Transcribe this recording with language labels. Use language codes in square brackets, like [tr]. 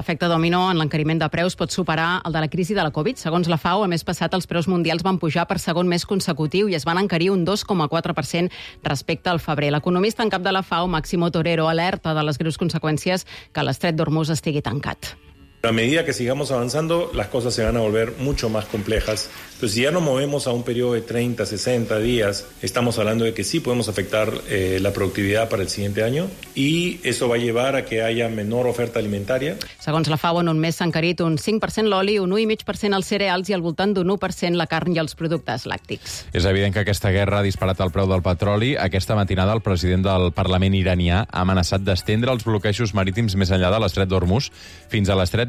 [ca] L'efecte dominó en l'encariment de preus pot superar el de la crisi de la Covid. Segons la FAO, el mes passat els preus mundials van pujar per segon mes consecutiu i es van encarir un 2,4% respecte al febrer. L'economista en cap de la FAO, Máximo Torero, alerta de les greus conseqüències que l'estret d'Hormuz estigui tancat. [es] A medida que sigamos avanzando, las cosas se van a volver mucho más complejas. Entonces, si ya nos movemos a un periodo de 30, 60 días, estamos hablando de que sí podemos afectar la productividad para el siguiente año y eso va a llevar a que haya menor oferta alimentaria. [ca] Segons la FAO, en un mes s'ha encarit un 5% l'oli, un 1,5% els cereals i al voltant d'un 1% la carn i els productes làctics. És evident que aquesta guerra ha disparat el preu del petroli. Aquesta matinada, el president del Parlament iranià ha amenaçat d'estendre els bloquejos marítims més enllà de l'estret d'Hormuz fins a l'estret